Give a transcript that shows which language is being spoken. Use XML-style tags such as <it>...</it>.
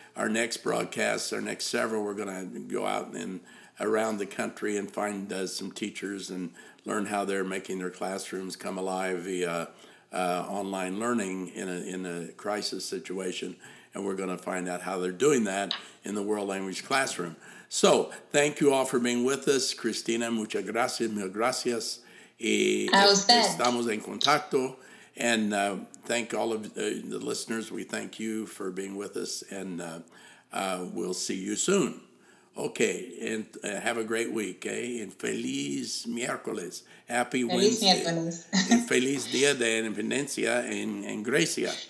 <en>Our next broadcast, our next several, we're going to go out and around the country and find some teachers and learn how they're making their classrooms come alive via online learning in a crisis situation. And we're going to find out how they're doing that in the world language classroom. So thank you all for being with us.</en> <es>Christina, muchas gracias, mil gracias.</es> <en>Estamos en contacto. And thank all of the listeners. We thank you for being with us. And we'll see you soon. Okay, and have a great week, okay? And</en> <es>feliz miércoles.</es> <en>Happy Wednesday.</en> <es>Feliz miércoles.</es> <en>And</en> <es>feliz día de independencia en Grecia.</es>